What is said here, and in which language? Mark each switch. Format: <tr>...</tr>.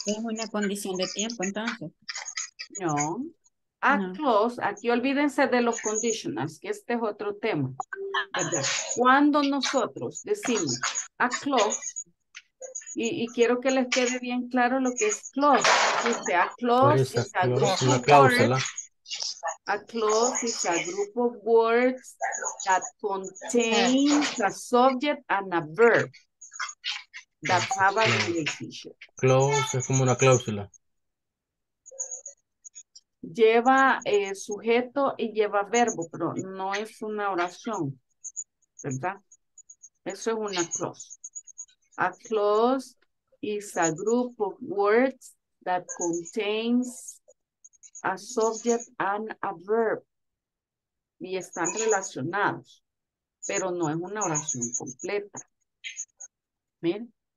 <es>Es una condición de tiempo, entonces. No. A no. Clause, aquí olvídense de los conditionals, que este es otro tema. Cuando nosotros decimos a clause, y quiero que les quede bien claro lo que es clause.</es> <en>Dice a clause, a clause is a group of words that contains a subject and a verb that have a relationship.</en> <es>Clause es como una cláusula. Lleva sujeto y lleva verbo, pero no es una oración, ¿verdad? Eso es una clause.</es> <en>A clause is a group of words that contains a subject and a verb,</en> <es>y están relacionados, pero no es una oración completa. ¿Ven?</es>